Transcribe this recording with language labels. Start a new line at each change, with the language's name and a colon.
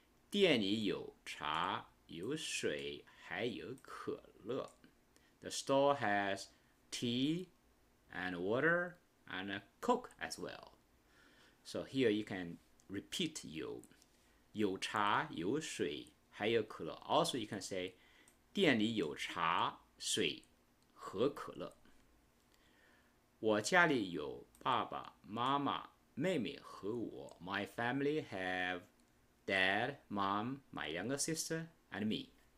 Chinese: 店里有茶、有水、还有可乐。
English: The store has tea and water and a Coke as well. So here you can repeat 有。
Chinese: 有茶、有水、还有可乐。
English: Also you can say
Chinese: 店里有茶、水和可乐。我家里有爸爸、妈妈、妹妹和我。
English: My family have dad, mom, my younger sister, and me.